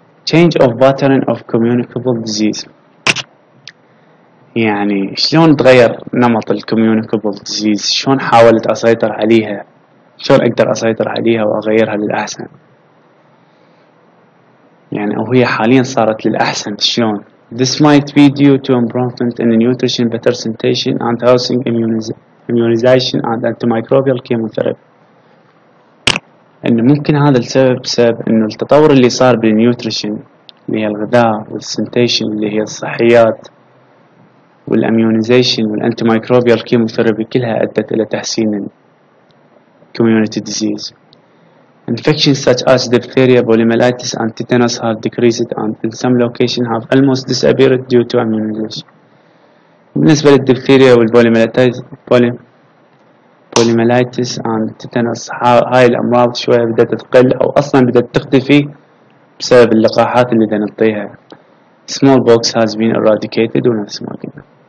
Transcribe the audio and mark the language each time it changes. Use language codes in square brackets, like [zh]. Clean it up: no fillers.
[en] Change of pattern of communicable disease، [ar] يعني شلون تغير نمط الcommunicable disease، شلون حاولت اسيطر عليها، شلون اقدر اسيطر عليها واغيرها للاحسن، يعني وهي حاليا صارت للاحسن شلون. [en] This might be due to improvement in nutrition, better sanitation, and housing immunization and antimicrobial chemotherapy. [ar] إنه ممكن هذا السبب سبب إنه التطور اللي صار بالنيوتريشن اللي هي الغذاء والسنتيشن اللي هي الصحيات والاميونيزيشن والانتيمايكروبيال كيموثيرابي كلها أدت إلى تحسين الكوميونيتي ديزيز. [en] Infections such as diphtheria, poliomyelitis, and tetanus have decreased and in some locations have almost disappeared due to immunization. [ar] بالنسبة للدفتيريا والبوليمالايتس [en] and tetanus [ar] هاي الأمراض شوية بدأت تقل أو أصلا بدأت تختفي بسبب اللقاحات اللي نعطيها. [en] Smallpox has been eradicated [ar] ونفس ما قلنا.